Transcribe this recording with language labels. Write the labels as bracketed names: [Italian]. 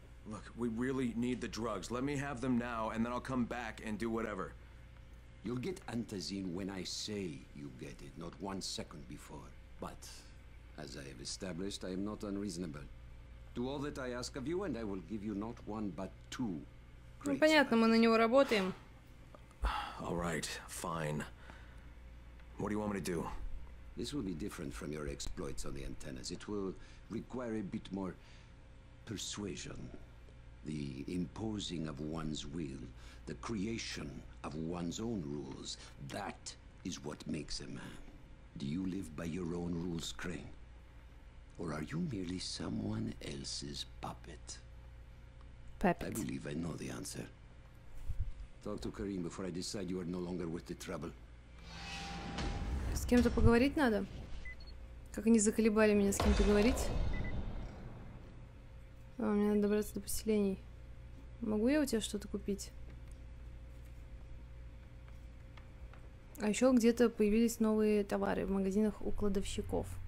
[English] Look, we really need the drugs. Let me have them now, and then I'll come back and do whatever. You'll get antazine when I say you get it, not one second before. But as I have established, I am not unreasonable. Do all that I ask of you, and I will give you not one, but two. [Russian] Ну, понятно, мы на него работаем. [English] All right, fine. What do you want me to do? This will be different from your exploits on the antennas. It will require a bit more persuasion. The imposing of one's will, the creation of one's own rules, that is what makes a man. Do you live by your own rules, Crane? Or are you merely someone else's puppet? Puppet. I believe I know the answer. Talk to Karim before I decide you are no longer worth the trouble. [Russian] С кем-то поговорить надо? Как они заколебали меня с кем-то говорить? А, мне надо добраться до поселений. Могу я у тебя что-то купить? А еще где-то появились новые товары в магазинах у кладовщиков.